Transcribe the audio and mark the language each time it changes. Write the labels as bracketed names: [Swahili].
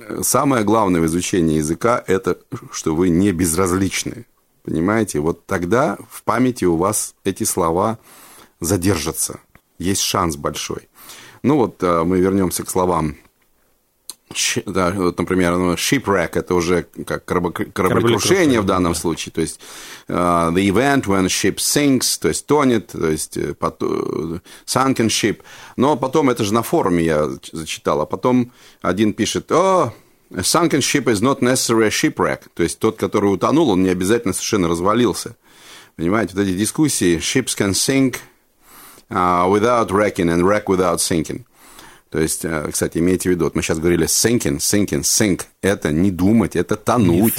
[Russian] Самое главное в изучении языка – это что вы не безразличны. Понимаете? Вот тогда в памяти у вас эти слова задержатся. Есть шанс большой. Ну вот мы вернемся к словам. Да, вот, например, shipwreck – это уже как кораблекрушение в данном случае. То есть [English] the event when a ship sinks, [Russian] то есть тонет, то есть [English] sunken ship. [Russian] Но потом, это же на форуме я зачитал, а потом один пишет, [English] a sunken ship is not necessarily a shipwreck. [Russian] То есть тот, который утонул, он не обязательно совершенно развалился. Понимаете, вот эти дискуссии, [English] ships can sink without wrecking and wreck without sinking. [Russian] То есть, кстати, имейте в виду, вот мы сейчас говорили sinking, sinking, sink. Это не думать, это тонуть.